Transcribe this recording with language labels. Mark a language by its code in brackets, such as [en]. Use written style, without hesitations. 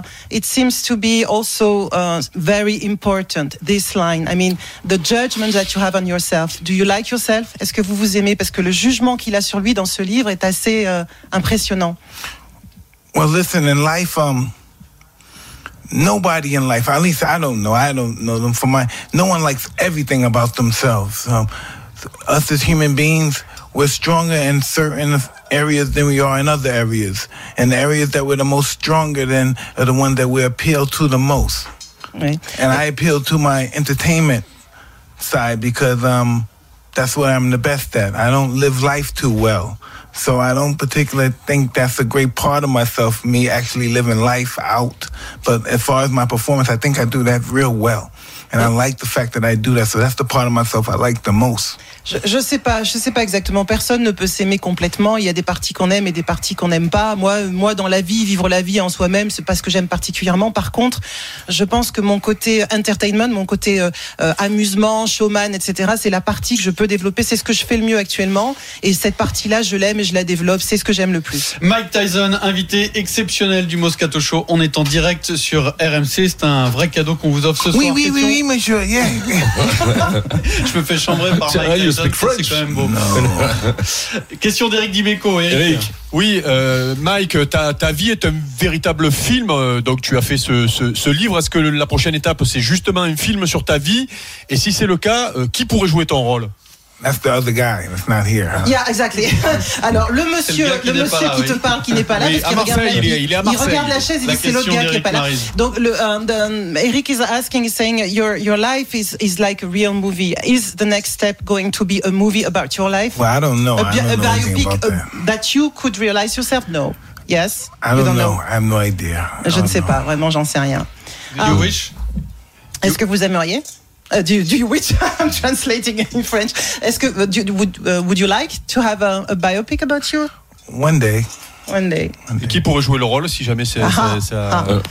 [en] It seems to be also very important, this line. I mean, the judgment that you have on yourself. Do you like yourself? [fr] Est-ce que vous vous aimez? Parce que le jugement qu'il a sur lui dans ce livre est assez impressionnant. [en] Well, listen, in life, nobody in life, at least no one likes everything about themselves. Us as human beings, we're stronger in certain areas than we are in other areas. And the areas that we're the most stronger than are the ones that we appeal to the most. Right. And I appeal to my entertainment side because that's what I'm the best at. I don't live life too well. So I don't particularly think that's a great part of myself, me actually living life out. But as far as my performance, I think I do that real well. And I like the fact that I do that. So that's the part of myself I like the most. [fr] Je sais pas exactement. Personne ne peut s'aimer complètement. Il y a des parties qu'on aime et des parties qu'on n'aime pas. Moi, dans la vie, vivre la vie en soi-même, c'est pas ce que j'aime particulièrement. Par contre, je pense que mon côté entertainment, mon côté amusement, showman, etc., c'est la partie que je peux développer. C'est ce que je fais le mieux actuellement. Et cette partie-là, je l'aime et je la développe. C'est ce que j'aime le plus. Mike Tyson, invité exceptionnel du Moscato Show. On est en direct sur RMC. C'est un vrai cadeau qu'on vous offre ce soir. Oui, oui, oui, oui. monsieur, yeah. Je me fais chambrer par Mike Tyson, c'est quand même beau. Question d'Eric Dimeco. Eric. Oui, Mike, ta vie est un véritable film, donc tu as fait ce livre. Est-ce que la prochaine étape, c'est justement un film sur ta vie? Et si c'est le cas, qui pourrait jouer ton rôle? [en] That's the other guy that's not here. Huh? Yeah, exactly. [fr] Alors, le monsieur qui te parle, qui n'est pas là, oui, parce qu'il regarde, il est à Marseille. Il regarde la chaise et c'est l'autre gars qui n'est pas là. [en] Donc, Eric is asking, saying, your life is like a real movie. Is the next step going to be a movie about your life? Well, I don't know. That you could realize yourself? No. Yes? I don't know. I have no idea. [fr] Je ne sais pas. Vraiment, j'en sais rien. [en] Do you wish? [fr] Est-ce que vous aimeriez? [en] Do you wish? I'm translating in French. Would you like to have a biopic about you? One day. [fr] Et qui pourrait jouer le rôle si jamais c'est ça?